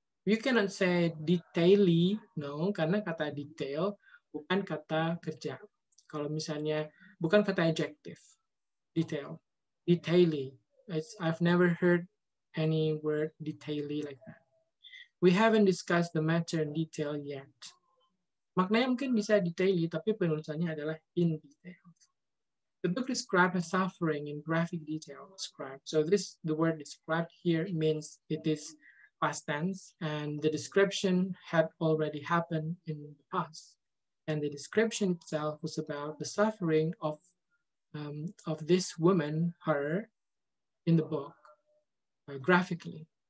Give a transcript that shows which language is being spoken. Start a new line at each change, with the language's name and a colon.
English: You cannot say detailly, no,
Indonesian: karena kata detail bukan kata kerja. Kalau misalnya, bukan kata adjective, detail, detailly.
English: I've never heard any word detailly like that. We haven't discussed the matter in detail yet.
Indonesian: Maknanya mungkin bisa detailly, tapi penulisannya adalah in detail.
English: The book described her suffering in graphic detail. Described. So this, the word described here means it is past tense, and the description had already happened in the past. And the description itself was about the suffering of this woman, her, in the book, graphically.